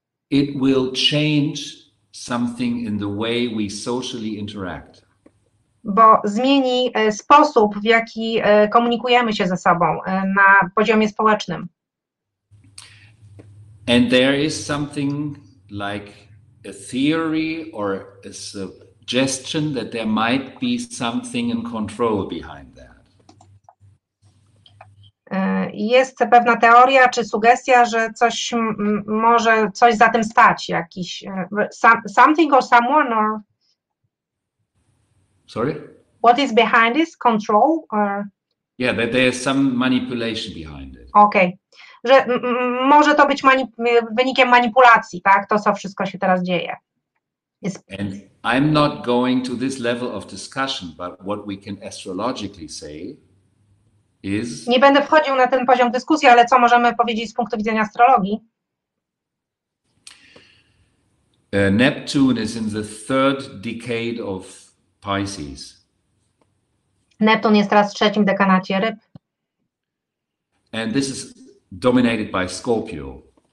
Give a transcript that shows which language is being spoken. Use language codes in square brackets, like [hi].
[en] It will change something in the way we socially interact. [pl] Bo zmieni sposób, w jaki komunikujemy się ze sobą na poziomie społecznym. [en] And there is something like a theory or a suggestion that there might be something in control behind that. [pl] Jest pewna teoria czy sugestia, że coś może coś za tym stać, jakiś [en] something or someone or. Sorry. What is behind this control or? Yeah, that there is some manipulation behind it. Okej. Okay. [pl] Że może to być wynikiem manipulacji, tak? To, co wszystko się teraz dzieje. Jest... [en] And I'm not going to this level of discussion, but what we can astrologically say is... [pl] Nie będę wchodził na ten poziom dyskusji, ale co możemy powiedzieć z punktu widzenia astrologii? [en] Neptune is in the third decade of Pisces. [pl] Neptun jest teraz w trzecim dekanacie ryb. [en] And this is dominated by Scorpio.